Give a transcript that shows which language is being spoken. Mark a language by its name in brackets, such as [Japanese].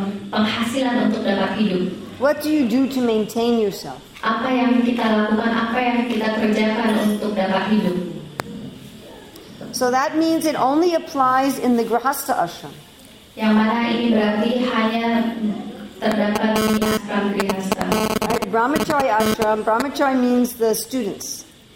[Indonesian] penghasilan untuk dapat hidup. [English] What do you do to maintain yourself? [Indonesian] Apa yang kita lakukan, apa yang kita kerjakan untuk dapat hidup? [English] So that means it only applies in the grihastha ashram. [Indonesian] Yang mana ini berarti hanya terdapat di ashram grihastha. [English] Right? Brahmachari ashram, brahmachari means the students.